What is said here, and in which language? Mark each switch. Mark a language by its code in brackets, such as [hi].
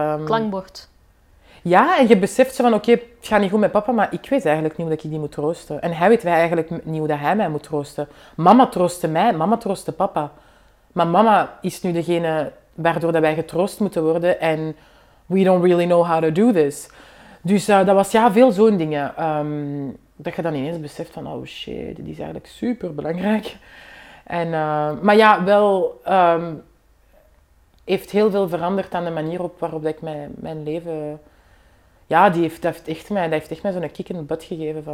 [nl] Klankbord. Ja, en je beseft ze van, oké, het gaat niet goed met papa, maar ik weet eigenlijk niet hoe ik die moet troosten. En hij weet eigenlijk niet hoe hij mij moet troosten. Mama troostte mij, mama troostte papa. Maar mama is nu degene waardoor wij getroost moeten worden en... [en] We don't really know how to do this. [nl] Dus dat was veel zo'n dingen. Dat je dan ineens beseft van, oh shit, dit is eigenlijk super belangrijk. En, maar ja, wel heeft heel veel veranderd aan de manier waarop ik mijn leven... Ja, dat heeft echt mij zo'n kick in de butt gegeven.